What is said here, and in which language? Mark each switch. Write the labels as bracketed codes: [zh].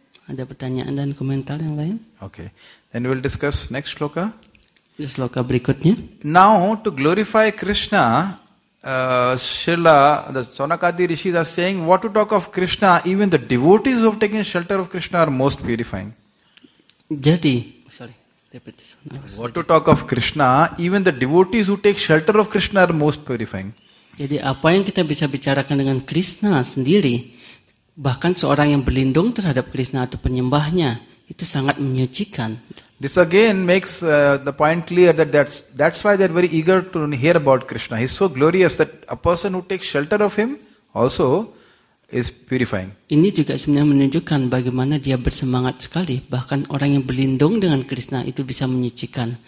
[id] Ada pertanyaan dan komentar yang lain? [en] Okay. Then we'll discuss next shloka. [id] The shloka berikutnya. [en] Now, to glorify Krishna, Srila, the Sonakadi Rishis are saying, what to talk of Krishna, even the devotees who have taken shelter of Krishna are most purifying. [id] Jadi, sorry. [en] What to talk of Krishna, even the devotees who take shelter of Krishna are most purifying. [id] Jadi apa yang kita bisa bicarakan dengan Krishna sendiri, bahkan seorang yang berlindung terhadap Krishna atau penyembahnya, itu sangat menyucikan. [en] This again makes the point clear that that's why they're very eager to hear about Krishna. He's so glorious that a person who takes shelter of him also is purifying. [id] Ini juga sebenarnya menunjukkan bagaimana dia bersemangat sekali. Bahkan orang yang berlindung dengan Krishna itu bisa menyucikan.